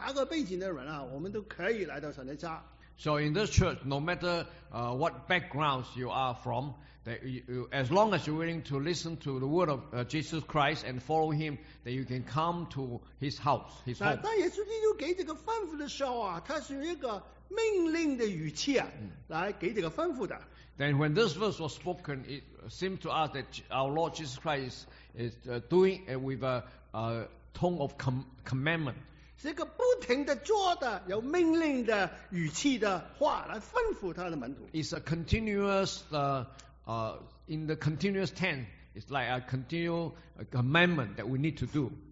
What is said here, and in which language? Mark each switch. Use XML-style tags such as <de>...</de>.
<zh>凡是能够愿意听耶稣基督福音的，愿意信耶稣基督的，不管这是哪个背景的人啊，我们都可以来到神的家。</zh> <en>So in this church, no matter what backgrounds you are from, that you, as long as you're willing to listen to the word of Jesus Christ and follow him, that you can come to his house, his home.</en> <zh>当耶稣基督给这个吩咐的时候啊，他是用一个命令的语气啊，来给这个吩咐的。</zh> <en>Then when this verse was spoken, it seemed to us that our Lord Jesus Christ is doing it with a tone of commandment.</en> <zh>是一个不停的做的有命令的语气的话来吩咐他的门徒。</zh> <en>It's a continuous, in the continuous tense, it's like a continual commandment that we need to do.</en>